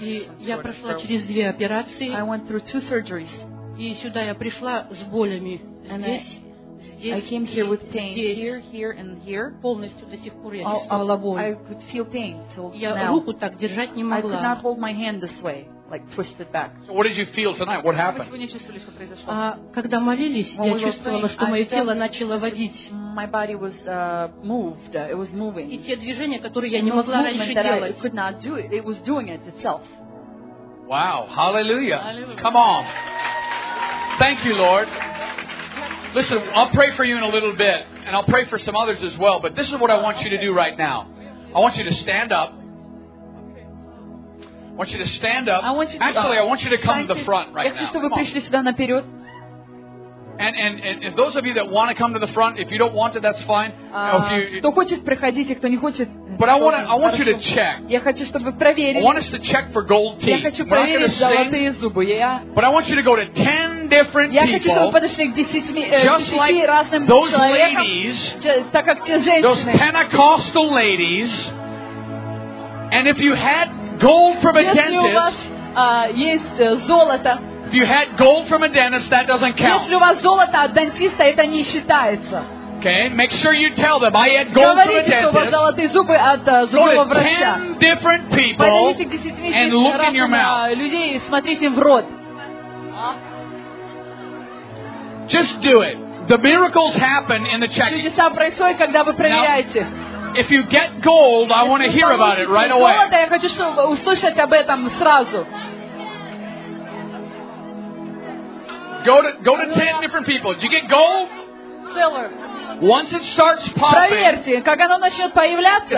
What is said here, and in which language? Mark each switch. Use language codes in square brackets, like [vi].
[ru] И я прошла через две операции. [en] I went through two surgeries. [ru] И сюда я пришла с болями здесь. [en] I came here with pain here and here. [ru] Полностью до сих пор я чувствовала боль. [en] I could feel pain till [ru] я руку так держать не могла. [en] I could not hold my hand this way, like twisted back. So what did you feel tonight? What happened? [ru] Когда молились, я чувствовала, что мое тело начало водить. [en] My body was moved. It was moving. [ru] И те движения, которые я не могла раньше делать, [en] could not do it. It was doing it itself. Wow! Hallelujah. Hallelujah! Come on! Thank you, Lord. Listen, I'll pray for you in a little bit, and I'll pray for some others as well. But this is what I want you to do right now. I want you to stand up. I want you to stand up. Actually, I want you to come to the front right now. [ru] Я хочу, чтобы вы пришли сюда наперед. [en] And those of you that want to come to the front, if you don't want to, that's fine. [ru] Кто хочет, приходите, кто не хочет. [en] But I want you to check. [ru] Я хочу, чтобы проверить. [en] I want us to check for gold teeth. [ru] Я хочу проверить золотые зубы. [en] But I want you to go to 10 different people. [ru] Я хочу, чтобы подошли к 10 разным женщинам. [en] Those Pentecostal ladies. And if you had gold from a dentist. [ru] Если у вас есть золото. [en] If you had gold from a dentist, that doesn't count. [ru] Если у вас золото от дантиста, это не считается. [en] Okay, make sure you tell them I had gold [ru] Говорите, [en] from a dentist. [ru] Говорите, что у вас золотые зубы от зубного врача. [en] Go to 10 different people and look in your mouth. [ru] Людей смотрите в рот. [en] Just do it. The miracles happen in the check. [ru] Чудеса происходят, когда вы проверяете. [en] If you get gold, I want to hear about it right away. [ru] Если у вас золото, я хочу, чтобы услышать об этом сразу. [en] Go to 10 different people. Did you get gold? Filler. Once it starts popping. [ru] Проверьте, как оно начнет появляться.